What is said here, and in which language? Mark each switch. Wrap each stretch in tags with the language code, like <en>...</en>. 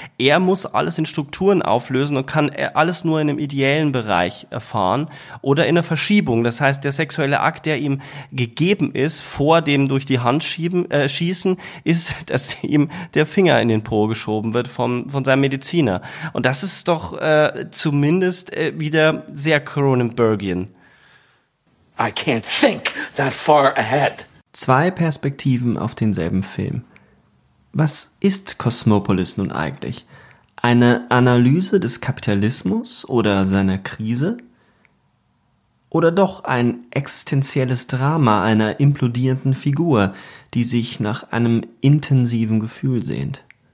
<de>Er muss alles in Strukturen auflösen und kann alles nur in einem ideellen Bereich erfahren oder in einer Verschiebung. Das heißt, der sexuelle Akt, der ihm gegeben ist, vor dem durch die Hand schießen, ist, dass ihm der Finger in den Po geschoben wird von seinem Mediziner. Und das ist doch zumindest wieder sehr Cronenbergian.</de> <en>I can't think that far ahead.</en> <de>Zwei Perspektiven auf denselben Film. Was ist Cosmopolis nun eigentlich? Eine Analyse des Kapitalismus oder seiner Krise? Oder doch ein existenzielles Drama einer implodierenden Figur, die sich nach einem intensiven Gefühl sehnt?</de>